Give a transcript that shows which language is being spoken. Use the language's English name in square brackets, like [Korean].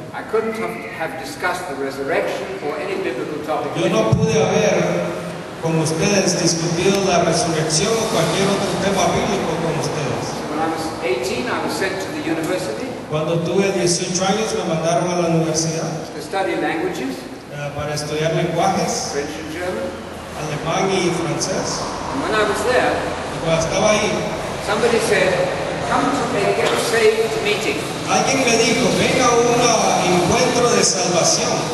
[English] I couldn't have discussed the resurrection or any biblical topic. [Spanish] Yo no pude haber con ustedes discutido la resurrección o cualquier otro tema bíblico con ustedes. [English] When I was 18, I was sent to the university. [Spanish] Cuando tuve 18 años, me mandaron a la universidad. [English] To study languages. [Spanish] Para estudiar lenguajes. [English] French and German. [Spanish] Alemán y francés. [English] And when I was there, [Spanish] y cuando estaba ahí, [English] somebody said, come to a get saved meeting. [Spanish] Alguien me dijo, venga a un encuentro de salvación.